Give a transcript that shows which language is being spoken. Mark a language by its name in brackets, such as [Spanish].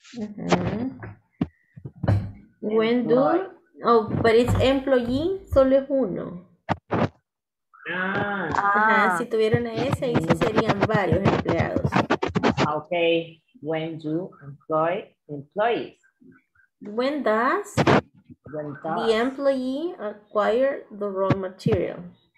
[English] Uh-huh. When do... Oh, but it's employee, [Spanish] solo es uno. Ah, ah. Si tuviera una S, ahí sí serían varios empleados. [English] Ok. When do employ employees? When does the employee acquire the raw material?